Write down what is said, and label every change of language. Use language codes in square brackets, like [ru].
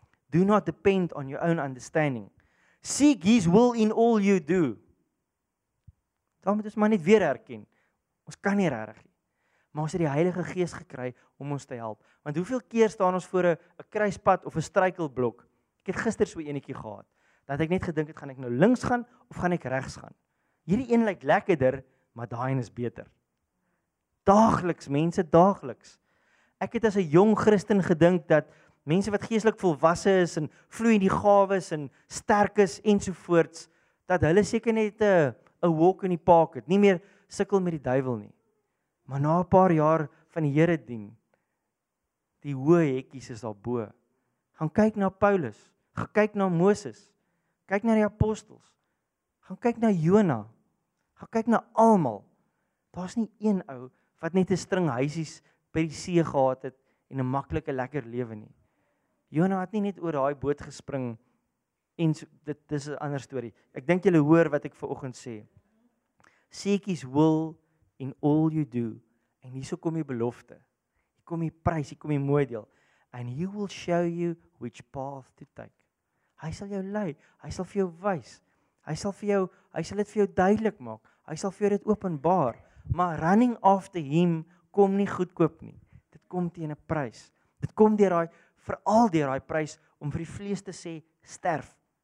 [en] Do not depend on your own understanding. Seek his will in all you do. [af] Daarom moet ons maar net weer herken. Ons kan nie regtig nie. Maar ons het die Heilige Gees gekry om ons te help. Want hoeveel keer staan ons voor 'n kruispad of 'n struikelblok? Ek het gister so eenetjie gehad. Dat ek net gedink het, gaan ek nou links gaan of gaan ek regs gaan? Hierdie een lyk lekkerder, maar daai een is beter. Daagliks, mense, daagliks. Ek het as 'n jong Christen gedink dat mense wat geestelik volwasse is en vloei in die gawes en sterk is ensovoorts, dat hulle seker net 'n walk in die park het, nie meer sukkel met die duiwel nie. Maar na 'n paar jaar van die Here dien, die hoë hekkies is daarbo. Gaan kyk na Paulus, gaan kyk na Moses, kyk na die apostels, gaan kyk na Jona, gaan kyk na almal. Daar's nie een ou wat net 'n string huisies by die see gehad het en 'n maklike lekker lewe nie. Jona het nie net oor daai boot gespring en so, dit is 'n ander storie. Ek dink julle hoor wat ek vanoggend sê. [en] Seek his will in all you do. [af] En hierso kom die belofte. Hier kom die prys, hier kom die mooi deel. [en] And he will show you which path to take. [af] Hy sal jou lei, hy sal vir jou wys. Hy sal dit vir jou duidelik maak. Hy sal vir jou dit openbaar. Maar [en] running after him [af] kom nie goedkoop nie. Dit kom teen 'n prys. Dit kom deur daai veral deur daai prys om vir die vlees te sê sterf.